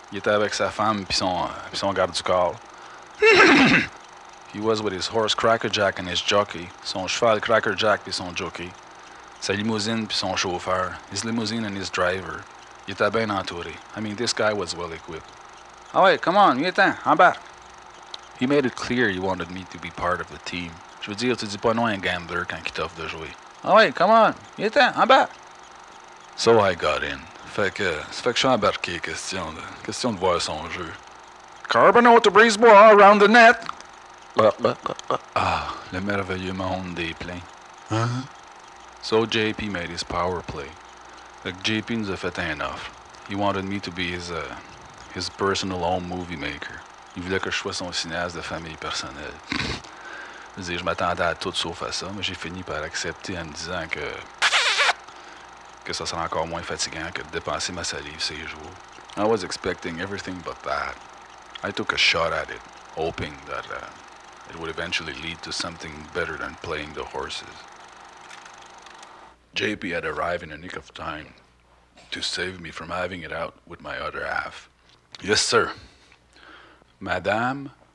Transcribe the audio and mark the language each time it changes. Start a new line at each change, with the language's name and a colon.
French: Il était avec sa femme pis son garde du corps.
English: He was with his horse Crackerjack and his jockey.
French: Son cheval Crackerjack pis son jockey. Sa limousine pis son chauffeur.
English: His limousine and his driver.
French: Il était bien entouré.
English: I mean, this guy was well equipped.
French: Ah ouais, come on, viens-t'en, embarque.
English: He made it clear he wanted me to be part of the team.
French: Je veux dire, tu dis pas non à un gambler quand il t'offre de jouer. Ah ouais, come on, viens-t'en, embarque.
English: So I got in.
French: Fait que je suis embarqué, question de voir son jeu.
English: Carboneau to Brisebois, around the net!
French: Ah, le merveilleux monde des plains.
English: So JP made his power play. Like JP
French: nous a fait un offre.
English: He wanted me to be his personal home movie maker.
French: Il voulait que je sois son cinéaste de famille personnelle. Je m'attendais à tout sauf à ça, mais j'ai fini par accepter en me disant que ça sera encore moins fatigant que de dépenser ma salive ces jours.
English: I was expecting everything but that. I took a shot at it, hoping that it would eventually lead to something better than playing the horses. JP had arrived in the nick of time to save me from having it out with my other half. Yes, sir. Madame?